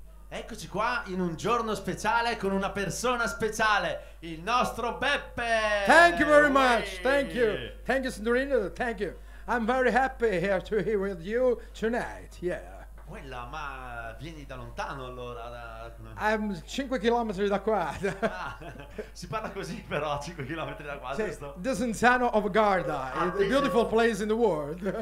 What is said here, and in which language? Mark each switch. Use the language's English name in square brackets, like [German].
[Italian] eccoci qua in un giorno speciale con una persona speciale, il nostro Beppe. [English] Thank you very much. Thank you, Sandrino. Thank you. I'm very happy here to be with you tonight. Yeah. [Italian] Quella, ma vieni da lontano allora. [English] I'm 5 km [Italian] da qua. Ah, si parla così però, 5 km da qua, sì, giusto? [English] This is Sano of Garda, a beautiful place in the world.